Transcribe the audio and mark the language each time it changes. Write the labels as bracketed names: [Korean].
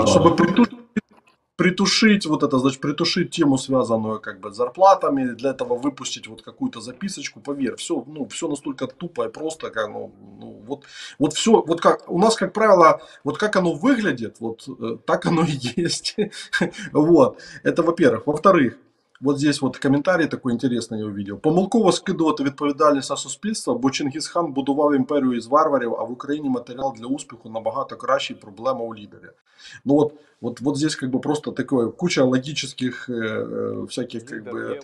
[Russian] Ну да, чтобы притушить вот это, значит, притушить тему, связанную как бы с зарплатами, для этого выпустить вот какую-то записочку, поверь, все, ну, все настолько тупо и просто, как, ну вот, вот все, вот как, у нас, как правило, вот как оно выглядит, вот так оно и есть, вот, это во-первых, во-вторых, вот здесь вот комментарий такой интересный я увидел. [Ukrainian] Помилково скидувати відповідальність на суспільство, бо Чингисхан будував імперію із варварів, а в Україні матеріал для успіху набагато кращий, проблема у лідері. [Russian] Ну вот, вот здесь как бы просто такое куча логических всяких как бы...